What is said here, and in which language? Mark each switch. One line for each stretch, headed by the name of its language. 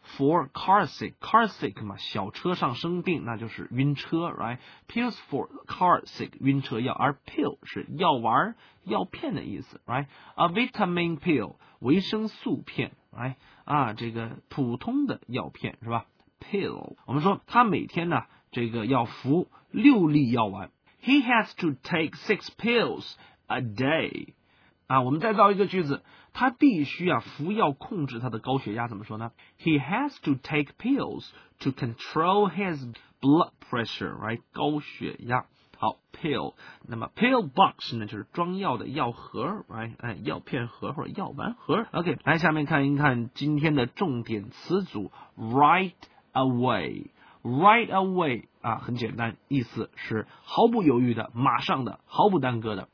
English: For car sick car sick
Chinese: 嘛，小车上生病那就是晕车
English: pills for car sick
Chinese: 晕车药，而 pill 是药丸药片的意思
English: a vitamin pill
Chinese: 维生素片这个普通的药片是吧 pill 我们说他每天呢这个要服六粒药丸
English: he has to take 6 pills a day
Chinese: 我们再造一个句子，他必须服药控制他的高血压怎么说呢？
English: He has to take pills to control his blood pressure,
Chinese: 高血压。好 ,pill, 那么 pill box 呢就是装药的药盒 药片盒或者药丸盒。 OK, 来下面看一看今天的重点词组 ,right away。 Right away 很简单，意思是毫不犹豫的，马上的，毫不耽搁的。